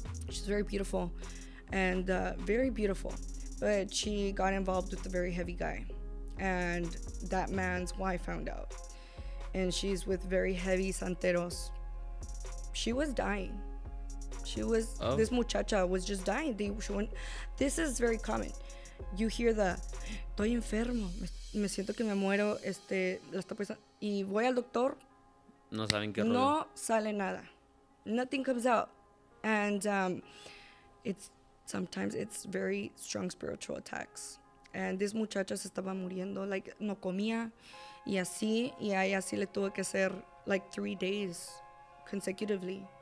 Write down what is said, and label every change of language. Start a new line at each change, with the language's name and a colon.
English: She's very beautiful, and very beautiful. But she got involved with a very heavy guy, and that man's wife found out. And she's with very heavy santeros. She was dying. This muchacha was just dying. She went, this is very common. You hear the,
Spanish: estoy enfermo, me siento que me muero, la está pensando, y voy al doctor. No saben qué no No sale nada.
English: Nothing comes out. And sometimes it's very strong spiritual attacks. And this
Spanish: muchacha se estaba muriendo, like no comía, y así, y ahí así le tuve que hacer
English: like 3 days consecutively.